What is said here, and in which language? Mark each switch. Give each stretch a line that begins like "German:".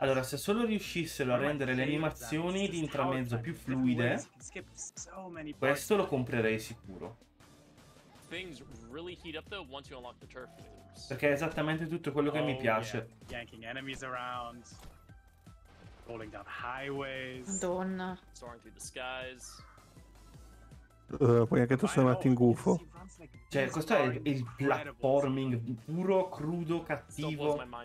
Italian: Allora, se solo riuscissero a rendere le animazioni di intramezzo più fluide, questo lo comprerei sicuro.
English: Things really heat up though once you unlock the turf.
Italian: Perché è esattamente tutto quello che mi piace.
English: Yeah. Yanking enemies around, rolling down highways, Madonna. Soaring through the skies.
Italian: Poi anche tu sei andato in gufo. Cioè, questo è il platforming puro, crudo, cattivo.